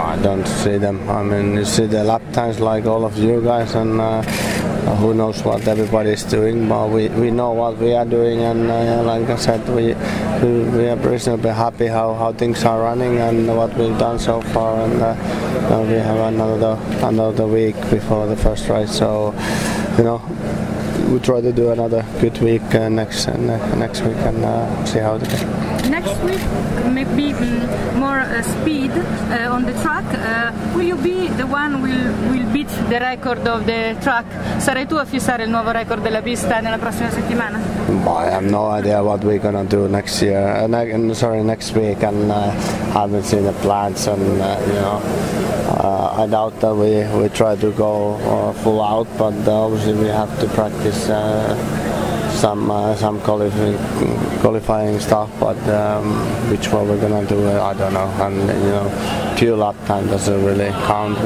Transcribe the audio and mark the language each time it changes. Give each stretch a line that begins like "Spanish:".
English: I don't see them. I mean, you see the lap times like all of you guys, and who knows what everybody is doing, but we know what we are doing, and like I said, we are reasonably happy how things are running and what we've done so far, and we have another week before the first race, so you know, we try to do another good week next week, and see how it goes. Next week, maybe more speed on the track. Will you be the one who will beat the record of the track?
Italian: Sarai tu a fissare il nuovo record della pista nella prossima settimana?
English: Boy, I have no idea what we're gonna do next year. Next week, and I haven't seen the plans, and you know. I doubt that we try to go full out, but obviously we have to practice some qualifying stuff, but which one we're gonna do, I don't know, and you know, pure lap time doesn't really count.